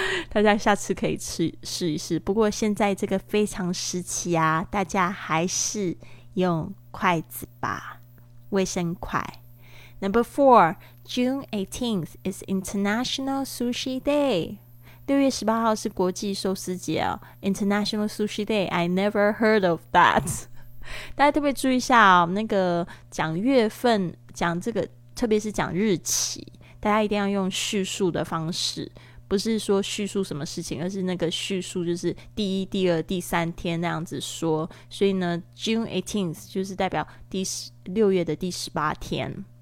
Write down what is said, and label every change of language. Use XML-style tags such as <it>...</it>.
<zh>大家下次可以试一试不过现在这个非常时期啊大家还是用筷子吧卫生筷</zh> <en>Number four,June 18th is International Sushi Day.</en> <zh>6月18号是国际寿司节哦。</zh> <en>International Sushi Day, I never heard of that.</en> <zh>大家特别注意一下哦，那个讲月份，讲这个，特别是讲日期，大家一定要用叙述的方式，不是说叙述什么事情，而是那个叙述就是第一、第二、第三天那样子说。所以呢 ，June 18th 就是代表六月的第十八天。</zh>